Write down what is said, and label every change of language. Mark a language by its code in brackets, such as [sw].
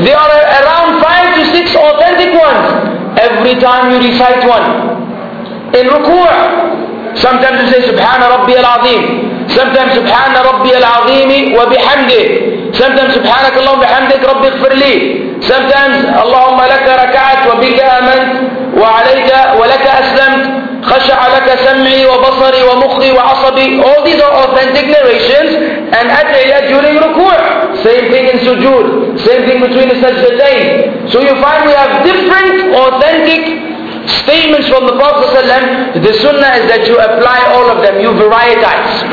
[en] There are around 5 to 6 authentic ones every time you recite one. In ruku', sometimes you say [ar] Subhana Rabbi al-Azim, sometimes Subhana Rabbi al-Azimi wa bihamdi, sometimes Subhanakallahu bihamdik Rabbi ighfirli. Sometimes اللهم لك ركعت وبك آمنت وعليك ولك أسلمت خشع لك سمعي وبصري ومخي وعصبي. [en] All these are authentic narrations and adiyah during ruku'. Same thing in sujood, same thing between the sajdatayn. So you find we have different authentic statements from the Prophet ﷺ. The sunnah is that you apply all of them, you varietize.